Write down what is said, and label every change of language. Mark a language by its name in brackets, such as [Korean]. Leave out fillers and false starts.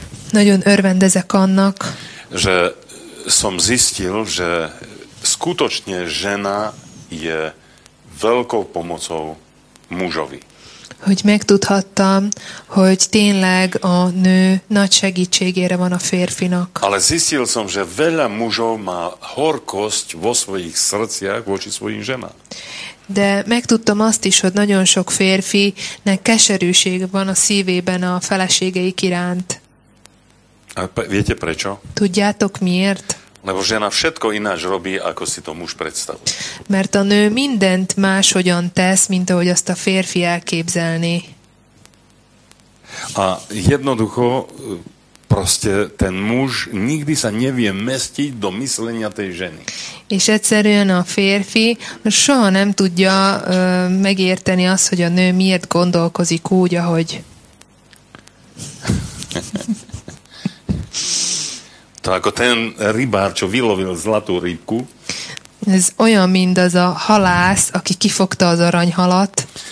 [Hungarian] nagyon örvendezek annak, [Slovak] že som zistil, že skutočne žena je veľkou pomocou mužovi. [Hungarian] Hogy megtudhattam, hogy tényleg a nő nagy segítségére van a férfinak. [Slovak] Ale zistil som, že veľa mužov má horkosť vo svojich srdciach voči svojim ženám. [Hungarian] De megtudtam azt is, hogy nagyon sok férfinek keserűség van a szívében a feleségeik iránt. [Slovak] A viete prečo? [Hungarian] Tudjátok miért? [Slovak] Lebo žena všetko ináč robí, ako si to muž predstavuje. [Hungarian] Mert a nő mindent máshogyan tesz, mint ahogy azt a férfi elképzelné. [Slovak] A jednoducho, proste ten muž nikdy sa nevie mestiť do myslenia tej ženy. [Hungarian] És egyszerűen a férfi soha nem tudja megérteni azt, hogy a nő miért gondolkozik úgy, ahogy... [Slovak] To ako ten rybár, čo vylovil zlatú rybku. [Hungarian] Ez olyan, mint az a halász, aki kifogta az aranyhalat.